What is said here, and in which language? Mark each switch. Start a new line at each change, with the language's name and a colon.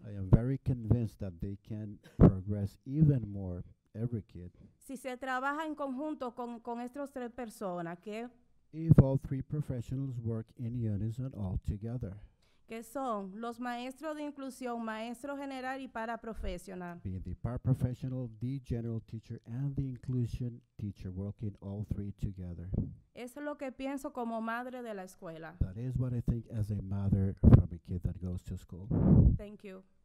English: I am very convinced that they can progress even more, every kid.
Spanish: Si se trabaja en conjunto con estas tres personas, que
English: if all three professionals work in unison all together.
Spanish: Que son los maestros de inclusión, maestro general y paraprofesional.
English: Being the paraprofessional, the general teacher, and the inclusion teacher, working all three together.
Spanish: Es lo que pienso como madre de la escuela.
English: That is what I think as a mother from a kid that goes to school. Thank you.